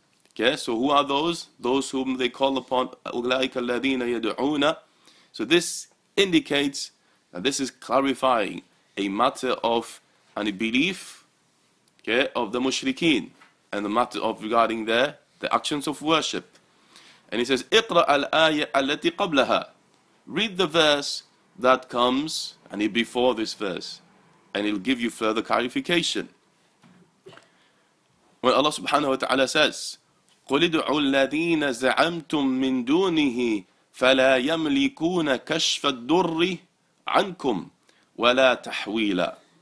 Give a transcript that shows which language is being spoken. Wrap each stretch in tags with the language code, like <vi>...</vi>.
<en>Okay, so who are those? Those whom they call upon.</en> <ar>أُولَٰئِكَ الَّذِينَ يَدْعُونَ.</ar> <en>So this indicates that this is clarifying a matter of a belief, okay, of the mushrikeen, and the matter of regarding the actions of worship. And he says,</en> <ar>اقرأ الآية التي قبلها.</ar> <en>Read the verse that comes and before this verse, and it'll give you further clarification. When Allah subhanahu wa ta'ala says,</en> <ar>قُلْ ادْعُوا الَّذِينَ زَعَمْتُمْ مِنْ دُونِهِ فَلَا يَمْلِكُونَ كَشْفَ الدُّرِّ عَنْكُمْ وَلَا تَحْوِيلًا.</ar>